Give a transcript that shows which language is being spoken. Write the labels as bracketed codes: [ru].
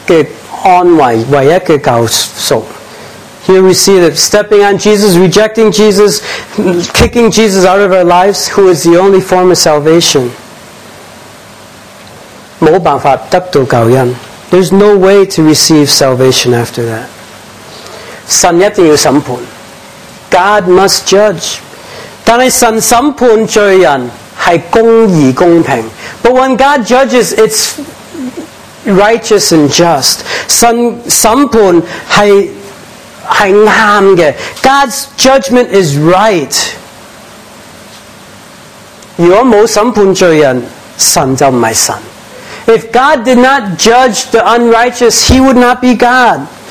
[zh] 这个经文呢，踩踏耶稣、亵渎耶稣、拒绝耶稣，唯一的安慰，唯一的救赎。 [en] Here we see that stepping on Jesus, rejecting Jesus, kicking Jesus out of our lives, who is the only form of salvation. [zh] 没办法得到救恩. [en] There's no way to receive salvation after that. [zh] 神一定要审判. [en] God must judge. [zh] 但是神审判罪人是公义公平. [en] But when God judges, it's righteous and just. [zh] 神审判是 [en] God's judgment is right. [zh] 如果没审判罪人，神就不是神。 [en] If God did not judge the unrighteous, He would not be God.